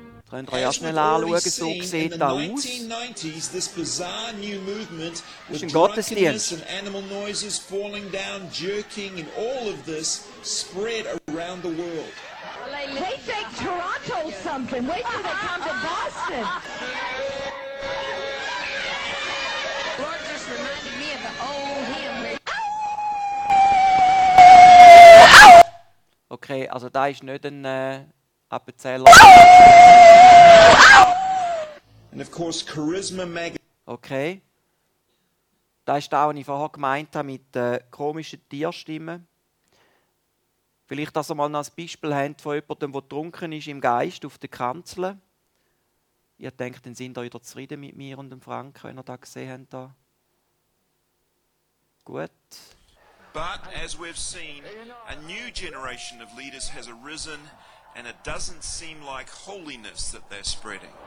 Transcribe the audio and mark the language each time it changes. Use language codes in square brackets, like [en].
[de] Könnt ihr euch schnell anschauen, so sieht das aus. Das ist ein Gottesdienst. [en] And animal noises falling down, jerking and all of this spread around the world. They think Toronto's something. Wait till they come to Boston. [de] Okay, also da ist nicht ein Appenzeller. Okay. Das ist das, was ich vorher gemeint habe mit komischen Tierstimmen. Vielleicht, dass ihr mal noch ein Beispiel habt von jemandem, der trunken ist im Geist auf der Kanzel. Ihr denkt, dann sind ihr wieder zufrieden mit mir und dem Frank, wenn ihr das gesehen habt. Da. Gut. [en] But as we've seen, a new generation of leaders has arisen and it doesn't seem like holiness that they're spreading.